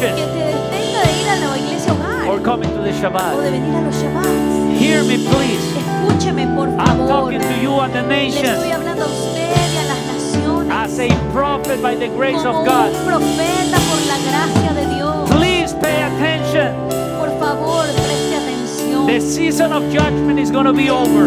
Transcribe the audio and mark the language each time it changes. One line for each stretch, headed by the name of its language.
Spanish: Que te detenga de ir a la iglesia hogar.
English: Or coming to the Shabbat.
Spanish: O de venir a los Shabbats.
English: Hear me, please.
Spanish: Escúcheme, por favor.
English: I'm talking to you and the nations.
Spanish: Le estoy hablando a usted y a las naciones.
English: As a prophet by the grace of God.
Spanish: Como un profeta por la gracia de Dios.
English: Please pay attention.
Spanish: Por favor, preste atención.
English: The season of judgment is going to be over.